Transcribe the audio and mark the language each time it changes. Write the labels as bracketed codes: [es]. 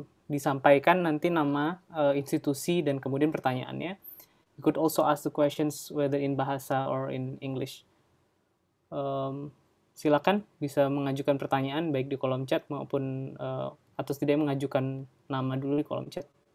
[id] Disampaikan nanti nama institusi dan kemudian pertanyaannya. [en] You could also ask the questions whether in bahasa or in English. [id] Silakan bisa mengajukan pertanyaan baik di kolom chat maupun atau setidak mengajukan nama dulu di kolom chat.